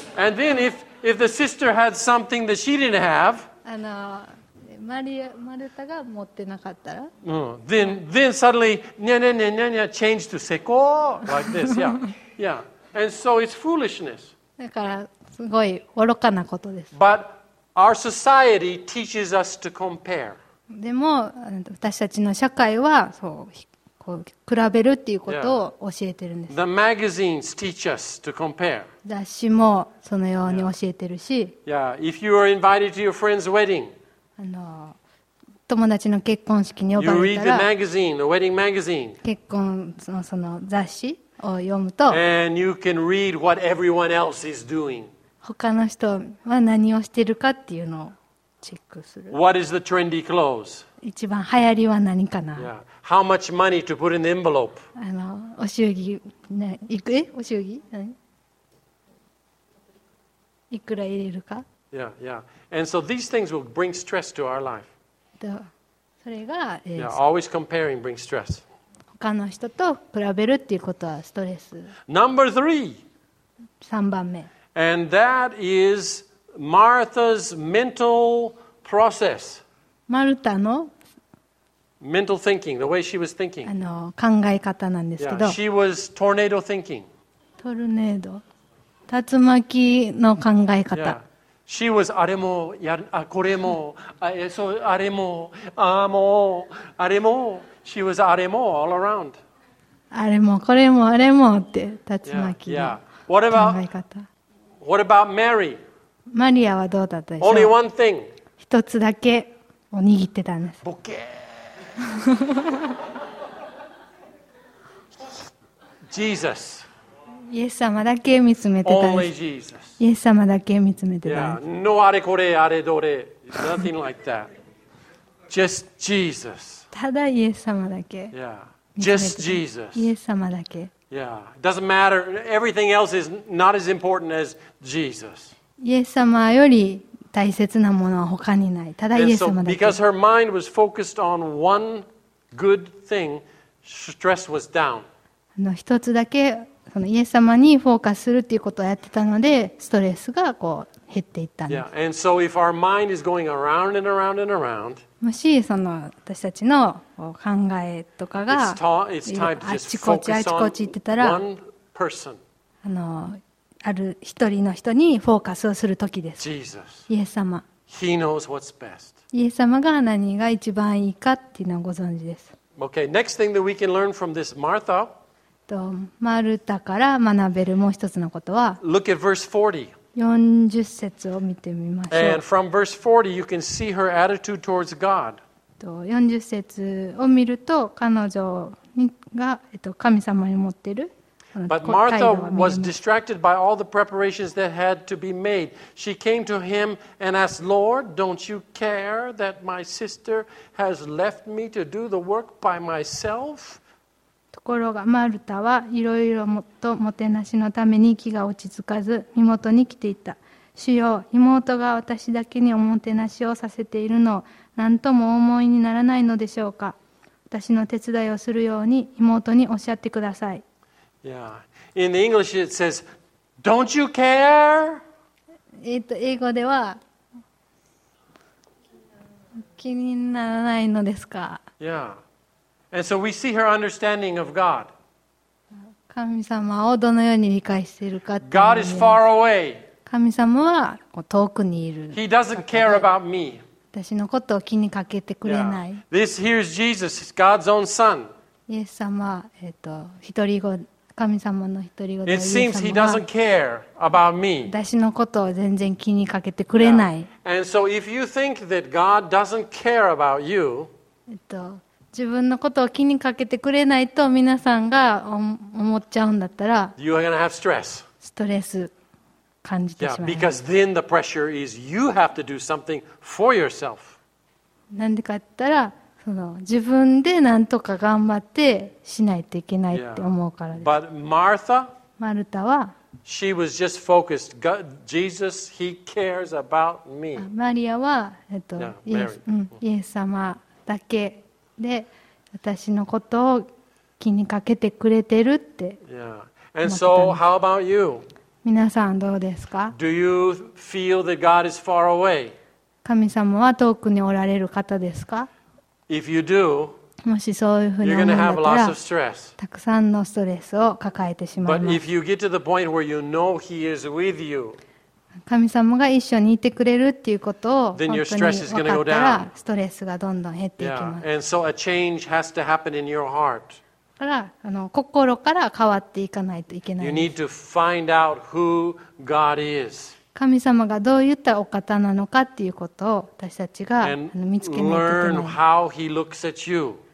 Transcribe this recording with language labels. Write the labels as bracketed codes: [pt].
[en] And then if the sister had something that she didn't have, [ja] マルタが持ってなかったら、 [en] then suddenly, ニャニャニャニャニャ change to [ja] セコ [en] like this, yeah, yeah. And so it's foolishness. [ja] だから。すごい愚かなことです。 [en] But our society teaches us to compare. [ja] でも私たちの社会はそうこう比べるっていうことを教えてるんです。 [en] The magazines teach us to compare. [ja] 雑誌もそのように教えてるし。 [en] Yeah. Yeah. If you are invited to your friend's wedding, [ja] 友達の結婚式に呼ばれたら、 [en] you read the magazine, the wedding magazine. [ja] 結婚のその雑誌。を読むと [en] And you can read what everyone else is doing. [ja] 他の人は何をしているかっていうのをチェックする。 [en] What is the trendy clothes? [ja] 一番流行りは何かな。 [en] Yeah. How much money to put in the envelope? [ja] お祝儀、ね、いく、え、お祝儀、何？いくら入れるか。 [en] Yeah, yeah. And so these things will bring stress to our life. [ja] それが、 [en] yeah, always comparing brings stress. [ja] 他の人と比べるっていうことはストレス。 [en] Number three. [ja] 三番目。 [en] And that is Martha's mental process. [ja] マルタの [en] mental thinking, the way she was thinking. [ja] 考え方なんですけど。 [en] Yeah, she was tornado thinking. [ja] トルネード竜巻の考え方、yeah. [en] She was [ja] あれもやあこれも あ, そうあれもあもうあれも She was あれも [en] all around [ja] あれもこれもあれもって竜巻の考え方、yeah. [en] What about, what about Mary? [ja] マリアはどうだったでしょう [en] Only one thing [ja] 一つだけを握ってたんですボケJesus. イエス様だけ見つめてたんです。イエス様だけ見つめてたんです。 [en] Yeah. No, [ja] あれこれあれどれ [en] Nothing like that. Just Jesus. [ja] ただイエス様だけ。 [en] Yeah. Just Jesus. [ja] イエス様だけ。 [en] Yeah. It doesn't matter. Everything else is not as important as Jesus. [ja] イエス様より大切なものは他にない。ただイエス様だけ。 [en] So, because her mind was focused on one good thing, stress was down. [ja] の一つだけそのイエス様にフォーカスするっていうことをやってたのでストレスがこう減っていったんです。 [en] Yeah. And so if our mind is going around and around and around, [ja] もしその私たちの考えとかがあちこちあちこち行ってたら、あのある一人の人にフォーカスをする時です。 [en] Jesus. [ja] イエス様。 [en] He knows what's best. [ja] イエス様が何が一番いいかっていうのをご存知です。 [en] Okay. Next thing that we can learn from this Martha. [ja] マルタから学べるもう一つのことは [en] Look at verse [ja] 40節を見てみましょう [en] And from verse 40 you can see her attitude towards God [ja] 40節を見ると彼女が神様に持っている [en] But Martha was distracted by all the preparations that had to be made She came to him and asked Lord don't you care that my sister has left me to do the work by myself [ja] ところがマルタはいろいろともてなしのために気が落ち着かず身元に来ていた。主よ、妹が私だけにおもてなしをさせているのを何とも思いにならないのでしょうか。私の手伝いをするように妹におっしゃってください。 [en] Yeah. In the English it says, Don't you care? [ja] 英語では気にならないのですか。 [en] Yeah. And so we see her understanding of God. [ja] 神様をどのように理解しているか。 [en] God is far away. [ja] 神様は遠くにいる。 [en] He doesn't care about me. [ja] 私のことを気にかけてくれない。 [en] Yeah. This here is Jesus, God's own son. [ja] イエス様、一人子、神様の一人子であるイエス様は。 [en] It seems he doesn't care about me. [ja] 私のことを全然気にかけてくれない。 [en] Yeah. And so if you think that God doesn't care about you, [ja] 自分のことを気にかけてくれないと皆さんが思っちゃうんだったら、 [en] you are going to have stress. [ja] ストレス感じてしまう。 [en] Yeah, because then the pressure is you have to do something for yourself. [ja] なんでかって言ったら、その自分で何とか頑張ってしないといけないって思うからです。 [en] But Martha, [ja] マルタは、 [en] she was just focused. God, Jesus, he cares about me. [ja] マリアは、イエス様だけ。で私のことを気にかけてくれてるって思った。 [en] Yeah. And so, how about you? [ja] 皆さんどうですか? [en] Do you feel that God is far away? [ja] 神様は遠くにおられる方ですか? [en] If you do, [ja] もしそういうふうに [en] you're gonna have lots of stress. [ja] たくさんのストレスを抱えてしまいます。 [en] But if you get to the point where you know He is with you, [ja] 神様が一緒にいてくれるっていうことを本当に分かったらストレスがどんどん減っていきます。 [en] Yeah. And so a change has to happen in your heart. [ja] から心から変わっていかないといけない。 [en] You need to find out who God is. [ja] 神様がどういったお方なのかっていうことを私たちが見つけないといけない。 [en] And learn how He looks at you.